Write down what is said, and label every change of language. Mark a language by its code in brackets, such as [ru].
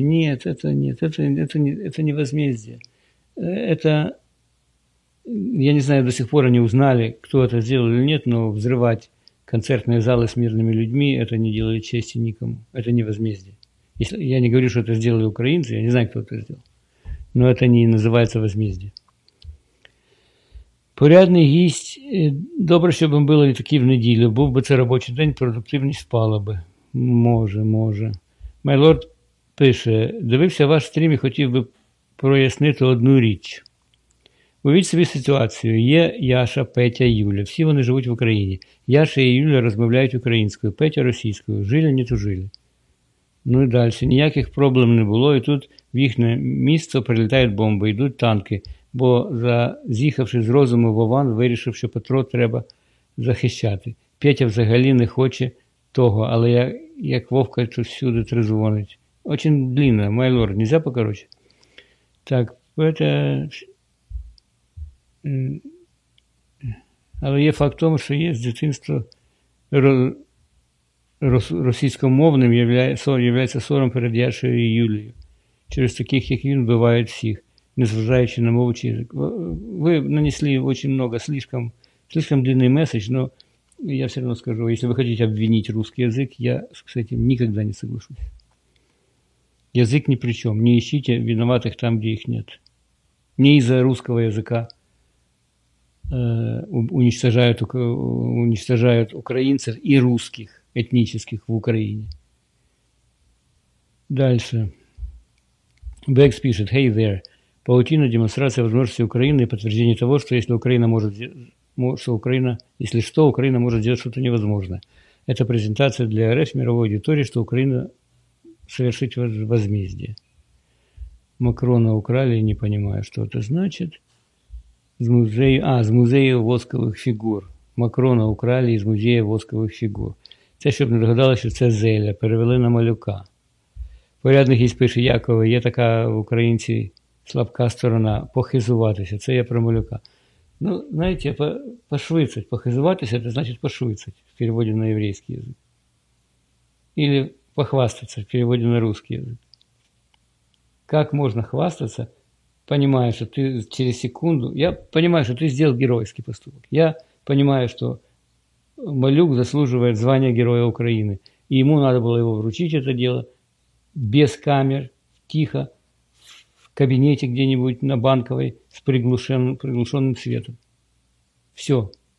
[ru] Нет, это не возмездие. Это, я не знаю, до сих пор они узнали, кто это сделал или нет, но взрывать концертные залы с мирными людьми — это не делает чести никому. Это не возмездие. Если, я не говорю, что это сделали украинцы, я не знаю, кто это сделал. Но это не называется возмездие. [uk] Порядний гість: добре, щоб він був такі в неділю. Був би це робочий день, продуктивність впала би. Може, може. Майлорд пише: дивився ваш стрім і хотів би прояснити одну річ. Уявіть собі ситуацію. Є Яша, Петя, Юля. Всі вони живуть в Україні. Яша і Юля розмовляють українською, Петя – російською. Жили, не тужили. Ну і далі. Ніяких проблем не було. І тут в їхнє місце прилітають бомби, йдуть танки. Бо, заз'їхавши з розуму, Вован вирішив, що Петро треба захищати. Петя взагалі не хоче того, але як Вовка, то всюди тризвонить. [ru] Очень длинна, майлор, нельзя покороче? Так, Петя... [uk] Але є факт в тому, що є з дитинства російськомовним, являється сором перед Яшею і Юлією. Через таких, як він, вбивають всіх, незважаючи на мову чи язик. Ви нанесли дуже багато, [ru] слишком длинний [uk] меседж, але я все одно скажу, якщо ви хочете обвинити русский язик, я з цим [ru] ніколи не соглашусь. [uk] Язик ні при чому. [ru] Не ищите виноватих там, [uk] де їх [ru] нет. Не із-за русского язика уничтожают українців і русских етнічних в Україні. Дальше. Бекс пише: [en] «Hey there». [ru] Паутина, демонстрация возможностей Украины и подтверждение того, что если Украина может, что Украина, если что, Украина может сделать что-то невозможное. Это презентация для РФ, мировой аудитории, что Украина совершит возмездие. Макрона украли, не понимаю, что это значит. Из музея восковых фигур. Макрона украли из музея восковых фигур. [uk] Це, щоб не догадалося, що це Зеля. Перевели на Малюка. Порядний гість пише: Якове, є така в українці слабка сторона — похизуватися. Це я про Малюка. Ну, знаєте, пошвицать. Похизуватися – це значить пошвицать в переводі на єврейський язик. [ru] Или похвастаться в переводі на русский язик. [uk] Як можна хвастатися, понимая, що ти через секунду… [ru] Я понимаю, [uk] що ти зробив геройський поступок. [ru] Я понимаю, що Малюк заслуживает звания Героя Украины. И ему надо было его вручить, это дело, без камер, тихо, в кабинете где-нибудь на Банковой с приглушенным светом. Все.